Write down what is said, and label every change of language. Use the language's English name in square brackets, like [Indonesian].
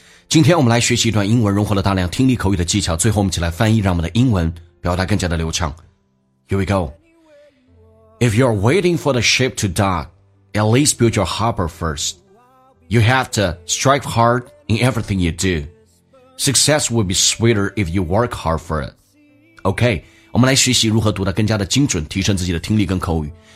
[Chinese] 今天我们来学习一段英文，融合了大量听力口语的技巧，最后我们一起来翻译，让我们的英文表达更加的流畅。 [English] Here we go. If you're waiting for the ship to dock, at least build your harbor first. You have to strive hard in everything you do. Success will be sweeter if you work hard for it. Okay. [Chinese] 我们来学习如何读得更加的精准，提升自己的听力跟口语。